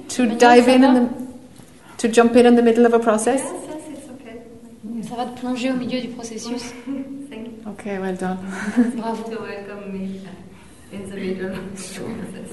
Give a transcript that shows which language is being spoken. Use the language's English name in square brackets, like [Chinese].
[English] To dive in the, to jump in the middle of a process? Yes, it's okay. [French] Ça va te plonger au milieu du processus. [English] Thank you. Okay, well done. [French] Bravo. [English] To welcome me in the middle of the process.